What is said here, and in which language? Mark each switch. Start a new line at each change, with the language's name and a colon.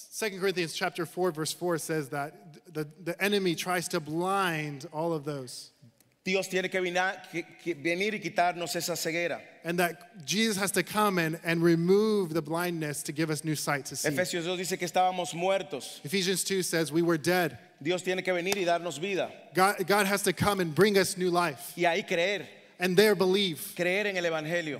English: 2 Corinthians chapter 4 verse 4 says that the enemy tries to blind all of those.
Spanish: Dios tiene que venir y quitarnos esa ceguera.
English: And that Jesus has to come and remove the blindness to give us new sight to see.
Spanish: Efesios 2 dice que estábamos muertos.
English: Ephesians 2 says we were dead.
Spanish: Dios tiene que venir y darnos vida.
English: God has to come and bring us new life.
Spanish: Y ahí creer.
English: And there believe.
Spanish: Creer en el evangelio.